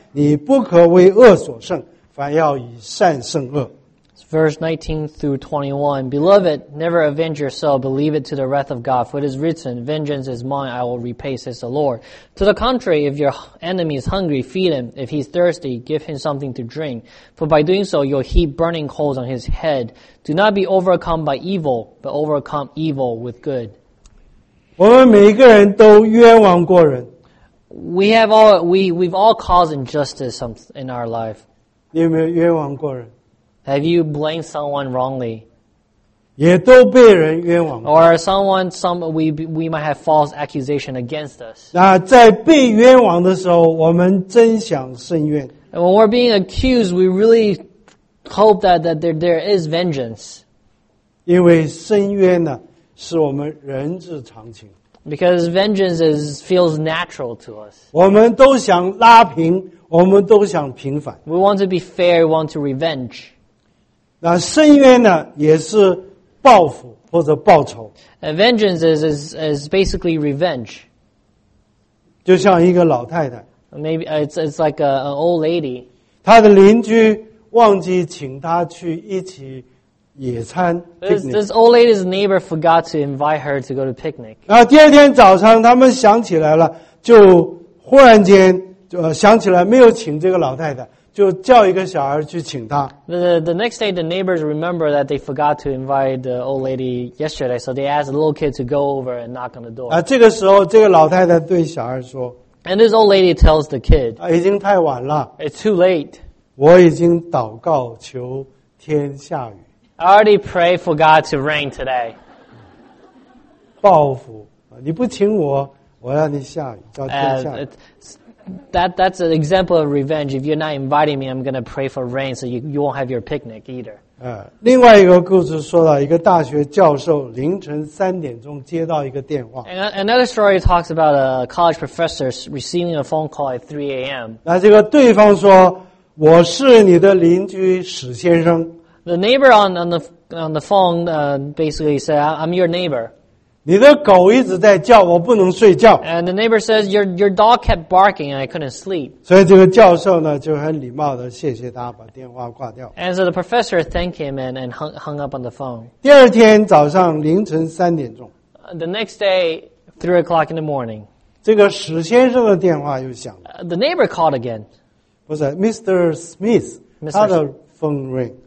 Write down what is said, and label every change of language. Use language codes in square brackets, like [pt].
[zh] 你不可为恶所胜，反要以善胜恶。 [en] Verse 19 through 21, Beloved, never avenge yourself, but leave it to the wrath of God. For it is written, Vengeance is mine, I will repay, says the Lord. To the contrary, if your enemy is hungry, feed him. If he's thirsty, give him something to drink. For by doing so, you'll heap burning coals on his head. Do not be overcome by evil, but overcome evil with good. [zh] 我们每一个人都冤枉过人。 [en] We've all caused injustice in our life. [zh] 你有没有冤枉过人？ [en] Have you blamed someone wrongly? [zh] 也都被人冤枉过。 [en] Or we might have false accusation against us. [zh] 那在被冤枉的时候，我们真想伸冤。 [en] And when we're being accused, we really hope that there is vengeance. [zh] 因为伸冤呢，是我们人之常情。 [en] Because vengeance feels natural to us. [zh] 我们都想拉平，我们都想平反。 [en] We want to be fair. We want to revenge. [zh] 那伸冤呢，也是报复或者报仇。 [en] Vengeance is basically revenge. [zh] 就像一个老太太。 [en] Maybe it's like an old lady. [zh] 她的邻居忘记请她去一起野餐。 [en] This old lady's neighbor forgot to invite her to go to picnic. [zh] 那第二天早上，他们想起来了，就忽然间就想起来没有请这个老太太。就叫一个小孩去请他。 [en] The next day, the neighbors remember that they forgot to invite the old lady yesterday, so they asked the little kid to go over and knock on the door. [zh] 这个时候，这个老太太对小孩说 [en] ，And this old lady tells the kid, [zh] 已经太晚了 [en] ，It's too late. [zh] 我已经祷告求天下雨。 [en] I already prayed for God to rain today. [zh] 报复，你不请我，我让你下雨，叫天下雨。 [en] That's an example of revenge. If you're not inviting me, I'm going to pray for rain so you won't have your picnic either. [zh] 另外一个故事说到一个大学教授凌晨三点钟接到一个电话。 [en] Another story talks about a college professor receiving a phone call at 3 a.m. [zh] 那这个对方说，我是你的邻居史先生。 [en] The neighbor on the phone basically said, I'm your neighbor. [zh] 你的狗一直在叫，我不能睡觉。 [en] And the neighbor says your dog kept barking and I couldn't sleep. [zh] 所以这个教授呢就很礼貌的谢谢他，把电话挂掉。 [en] And so the professor thanked him and hung up on the phone. [zh] 第二天早上凌晨三点钟。 [en] The next day, 3 o'clock in the morning. [zh] 这个史先生的电话又响了。 [en] The neighbor called again. [zh] 不是 ，Mr. [en] Smith， [zh] 他的 [en] phone ring.